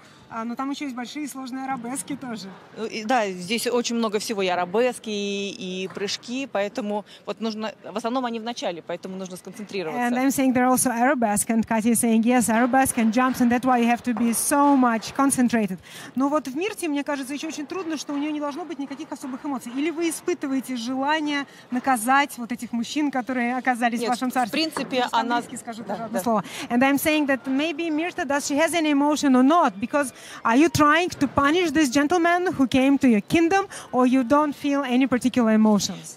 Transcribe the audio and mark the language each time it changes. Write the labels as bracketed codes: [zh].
[ru] Но там еще есть большие и сложные арабески тоже. Да, здесь очень много всего, и арабески, и прыжки, поэтому вот нужно, в основном они в начале, поэтому нужно сконцентрироваться. [en] And I'm saying there are also arabesque, and Katya is saying, yes, arabesque and jumps, and that's why you have to be so much concentrated. [ru] Но вот в Мирте, мне кажется, еще очень трудно, что у нее не должно быть никаких особых эмоций. Или вы испытываете желание наказать вот этих мужчин, которые оказались Нет, в вашем царстве? В принципе, она... скажу даже одно слово. [en] And I'm saying that maybe Mirta, does she has any emotion or not, because are you trying to punish this gentleman who came to your kingdom, or you don't feel any particular emotions?